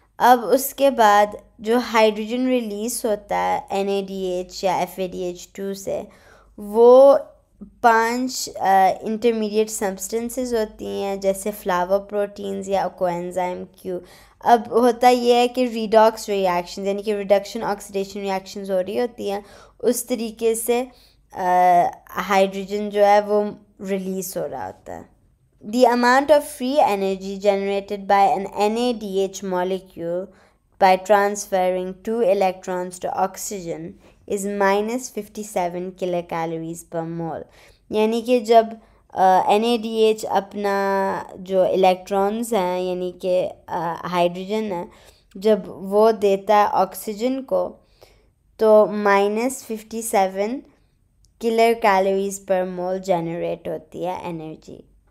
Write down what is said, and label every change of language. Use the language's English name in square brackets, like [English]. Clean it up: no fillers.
[Hindi] अब उसके बाद जो हाइड्रोजन रिलीज होता है NADH या FADH2 से, वो पांच इंटरमीडिएट सब्सटेंसेस होती हैं जैसे फ्लावर प्रोटीन्स या कोएंजाइम क्यू। अब होता यह है कि रिडॉक्स रिएक्शन यानी कि रिडक्शन ऑक्सीडेशन रिएक्शंस हो रही होती हैं, उस तरीके से हाइड्रोजन जो है वो रिलीज हो रहा होता है। [English] The amount of free energy generated by an NADH molecule by transferring two electrons to oxygen is -57 kilocalories per mole. [Hindi] यानी कि जब NADH अपना जो electrons हैं यानी कि hydrogen है जब वो देता है oxygen को, तो -57 kilocalories per mole generate होती है energy.